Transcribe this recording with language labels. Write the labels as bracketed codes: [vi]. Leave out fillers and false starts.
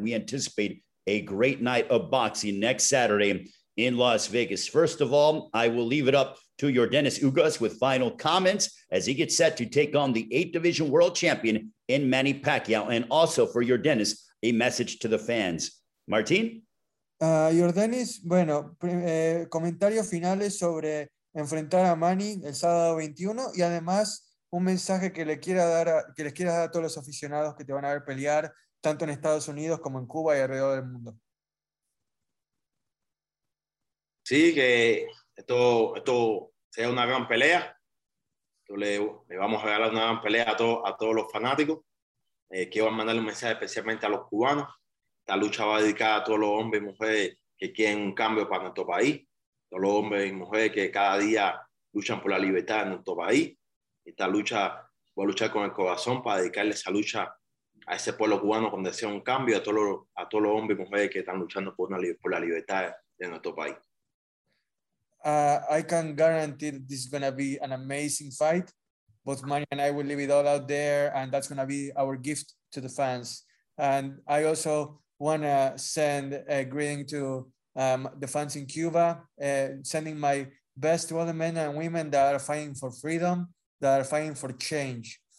[en] We anticipate a great night of boxing next Saturday in Las Vegas. First of all, I will leave it up to Yordenis Ugas with final comments as he gets set to take on the 8-division world champion in Manny Pacquiao. And also for Yordenis, a message to the fans. Martín? [es] Yordenis, bueno, comentarios finales sobre enfrentar a Manny el sábado 21 y además un mensaje que les quieras dar a todos los aficionados que te van a ver pelear tanto en Estados Unidos como en Cuba y alrededor del mundo. Sí, que esto sea una gran pelea. Le vamos a regalar una gran pelea a todos los fanáticos. Quiero mandarle un mensaje especialmente a los cubanos. Esta lucha va dedicada a todos los hombres y mujeres que quieren un cambio para nuestro país. Todos los hombres y mujeres que cada día luchan por la libertad en nuestro país. Esta lucha, voy a luchar con el corazón para dedicarle esa lucha a ese pueblo cubano con deseo un cambio, a todos los hombres y mujeres que están luchando por la libertad de nuestro país. [en] I can guarantee that this is going to be an amazing fight. Both Manny and I will leave it all out there, and that's going to be our gift to the fans. And I also want to send a greeting to the fans in Cuba, sending my best to all the men and women that are fighting for freedom, that are fighting for change.